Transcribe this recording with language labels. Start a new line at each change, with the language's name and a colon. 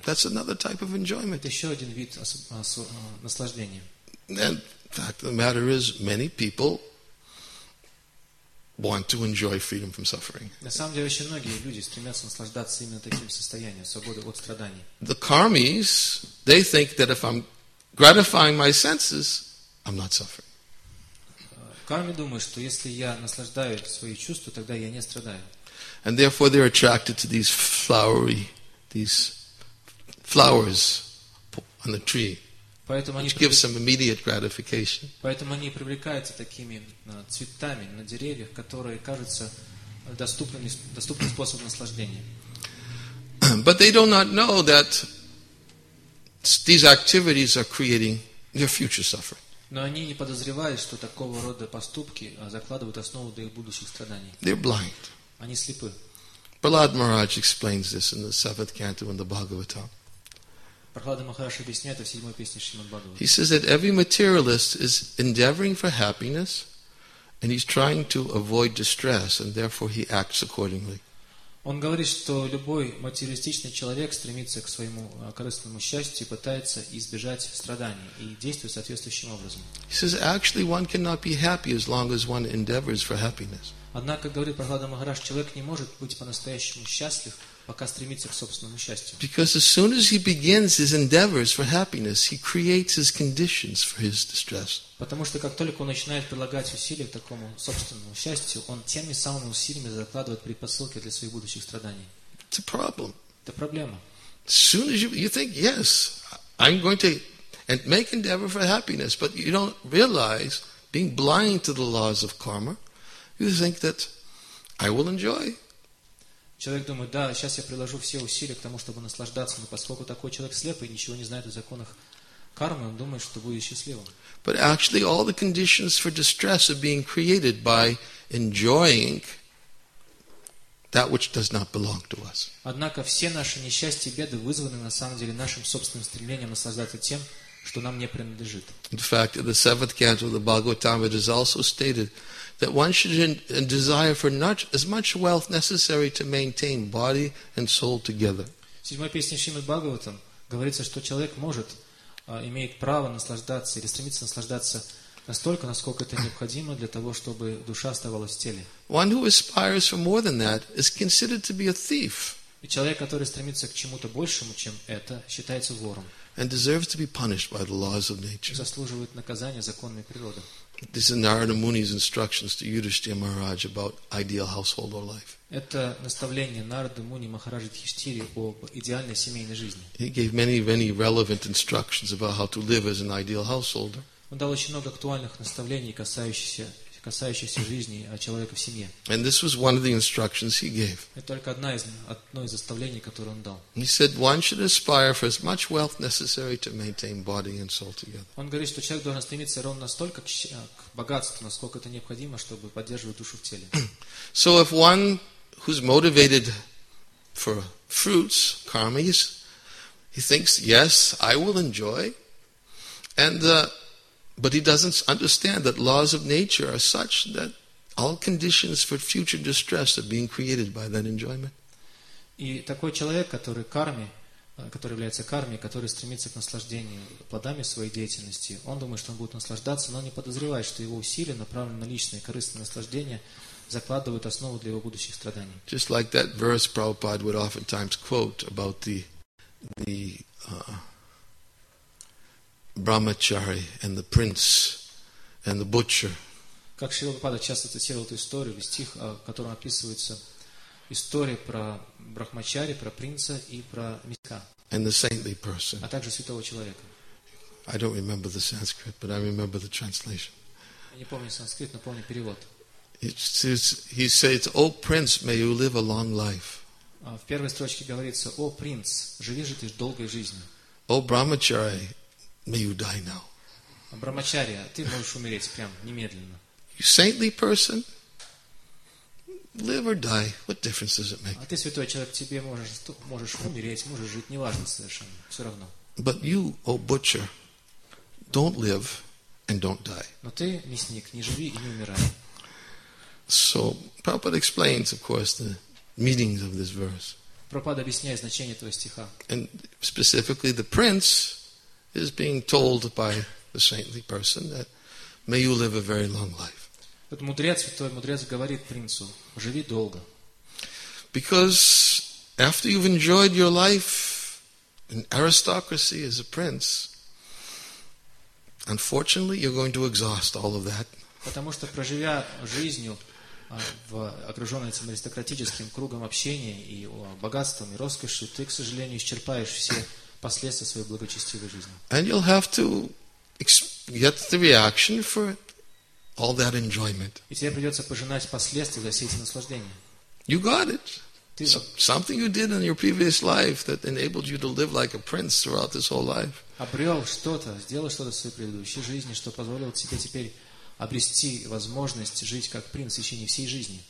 English: That's another type of enjoyment.
Russian: Это еще один вид наслаждения.
English: And the fact of the matter is, many people want to enjoy freedom from suffering.
Russian: На самом деле, очень многие люди стремятся наслаждаться именно таким состоянием, свободой от страданий.
English: The karmis, they think that if I'm gratifying my senses, I'm not suffering.
Russian: Карми думают, что если я наслаждаюсь свои чувства, тогда я не страдаю.
English: And therefore they're attracted to these flowers on the tree.
Russian: Поэтому они
English: give some immediate gratification.
Russian: Поэтому они привлекаются такими цветами на деревьях, которые кажутся доступным способом наслаждения.
English: But they do not know that these activities are creating their future suffering.
Russian: Но они не подозревают, что такого рода поступки закладывают основу для их будущих страданий.
English: They're blind.
Russian: Они слепы.
English: Prahlad Maharaj explains this in the 7th canto in the Bhagavatam.
Russian: Прохлада Махараш объясняет это в 7-й песне Шримад Бхагаватам.
English: He says that every materialist is endeavoring for happiness and he's trying to avoid distress and therefore he acts accordingly.
Russian: Он говорит, что любой материалистичный человек стремится к своему корыстному счастью и пытается избежать страданий и действует соответствующим образом.
English: He says, actually, one cannot be happy as long as one endeavors for happiness.
Russian: Однако, говорит Прохлада Махарадж, человек не может быть по-настоящему счастлив, пока стремится к собственному счастью.
English: Because as soon as he begins his endeavors for happiness, he creates his conditions for his distress.
Russian: Потому что как только он начинает прилагать усилия к такому собственному счастью, он теми самыми усилиями закладывает предпосылки для своих будущих страданий.
English: It's a problem.
Russian: Это проблема.
English: As soon as you think, yes, I'm going to make endeavor for happiness, but you don't realize, being blind to the laws of karma, you think that I will enjoy.
Russian: Человек думает, да, сейчас я приложу все усилия к тому, чтобы наслаждаться, но поскольку такой человек слепый, ничего не знает о законах кармы, он думает, что будет счастливым.
English: But actually all the conditions for distress are being created by enjoying that which does not belong to us.
Russian: Однако все наши несчастья и беды вызваны на самом деле нашим собственным стремлением наслаждаться тем, что нам не принадлежит.
English: In fact, in the seventh canto of the Bhagavatam, it is also stated that one should desire for not as much wealth necessary to maintain body and soul together.
Russian: В седьмой песне Шримад Бхагаватам говорится, что человек может, имеет право наслаждаться или стремится наслаждаться настолько, насколько это необходимо для того, чтобы душа оставалась в теле.
English: One who aspires for more than that is considered to be a thief.
Russian: И человек, который стремится к чему-то большему, чем это, считается вором.
English: And deserves to be punished by the laws of nature.
Russian: Заслуживает наказания законами природы.
English: This is Narada Muni's instructions to Yudhishthira Maharaj about ideal household or life.
Russian: Это наставление Нарады Муни Махараджи Дхиштири о идеальной семейной жизни.
English: He gave many relevant instructions about how to live as an ideal householder.
Russian: Он дал очень много актуальных наставлений, касающихся жизни человека в семье.
English: And this was one of the instructions he gave.
Russian: Это только одно из наставлений, которое он дал.
English: He said one should aspire for as much wealth necessary to maintain body and soul together.
Russian: Он говорит, что человек должен стремиться ровно настолько к богатству, насколько это необходимо, чтобы поддерживать душу в теле.
English: So if one who's motivated for fruits, karmas, he thinks, yes, I will enjoy, but he doesn't understand that laws of nature are such that all conditions for future distress are being created by that enjoyment.
Russian: И такой человек, который является кармой, который стремится к наслаждению плодами своей деятельности, он думает, что он будет наслаждаться, но не подозревает, что его усилия, направленные на личное корыстное наслаждение, закладывают основу для его будущих страданий.
English: Just like that verse Prabhupada would oftentimes quote about the brahmachari and the prince and the butcher.
Russian: Как Шрила Прабхупада часто цитировал эту историю, стих, в котором описывается история про брахмачари, про принца и про мясника.
English: And the saintly person.
Russian: А также святого человека.
English: I don't remember the Sanskrit, but I remember the translation.
Russian: Я не помню санскрит, но помню перевод.
English: He says, "O prince, may you live a long life."
Russian: В первой строчке говорится: "О принц, живи же ты долгой жизнью."
English: "O brahmachari, may you die now."
Russian: Брахмачария, ты можешь умереть прямо немедленно.
English: You saintly person, live or die. What difference does it make?
Russian: А ты святой человек, тебе можешь умереть, можешь жить, неважно совершенно, все равно.
English: But you, O butcher, don't live and don't die.
Russian: Но ты мясник, не живи и не умирай.
English: So Prabhupada explains, of course, the meanings of this verse.
Russian: Прабхупада объясняет значение этого стиха.
English: And specifically, the prince is being told by the saintly person that may you live a very long life.
Russian: Вот мудрец, святой мудрец говорит принцу: живи долго.
English: Because after you've enjoyed your life in aristocracy as a prince, unfortunately, you're going to exhaust all of that.
Russian: Потому что проживя жизнью в окруженной этим аристократическим кругом общения и богатством и роскошью, ты, к сожалению, исчерпаешь все последствия своей благочестивой жизни.
English: And you'll have to get the reaction for all that enjoyment.
Russian: И тебе придется пожинать последствия за все эти наслаждения.
English: You got it. Something you did in your previous life that enabled you to live like a prince throughout this whole life.
Russian: Обрел что-то, сделал что-то в своей предыдущей жизни, что позволило тебе теперь обрести возможность жить как принц в течение всей жизни.